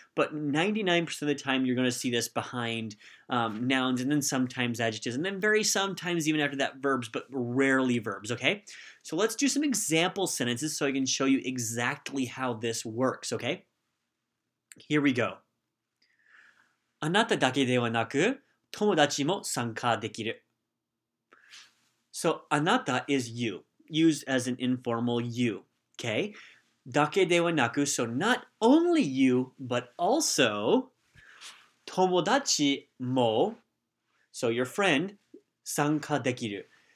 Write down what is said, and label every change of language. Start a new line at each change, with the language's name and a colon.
English: But 99% of the time, you're going to see this behind nouns, and then sometimes adjectives, and then very sometimes even after that, verbs, but rarely verbs, okay? So let's do some example sentences so I can show you exactly how this works, okay? Here we go.
Japanese: あなただけではなく、友達も参加できる。
English: So, あなた is you, used as an informal you, okay?
Japanese: だけではなく、
English: so not only you, but also
Japanese: 友達も,
English: so your friend,
Japanese: 参加できる.